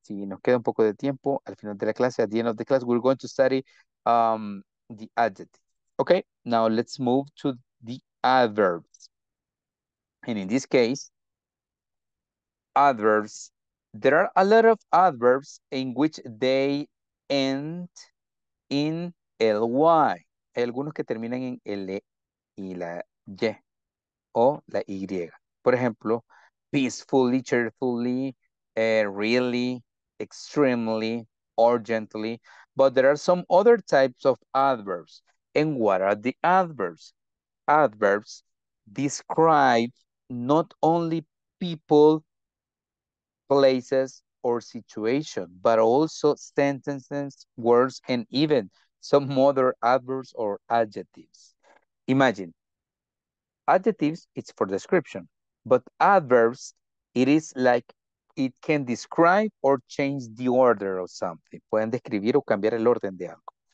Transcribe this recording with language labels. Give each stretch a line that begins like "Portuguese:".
Spanish: Si nos queda un poco de tiempo, al final de la clase, at the end of the class, we're going to study the adjective.
English: Okay, now let's move to the adverbs. And in this case, adverbs, there are a lot of adverbs in which they end in ly.
Spanish: Hay algunos que terminan en L y la Y o la Y. Por ejemplo, peacefully, cheerfully, really, extremely, urgently.
English: But there are some other types of adverbs. And what are the adverbs? Adverbs describe not only people, places, or situation, but also sentences, words, and even some other adverbs or adjectives. Imagine, adjectives, it's for description, but adverbs, it is like it can describe or change the order of something.
Spanish: Pueden describir o cambiar el orden de algo.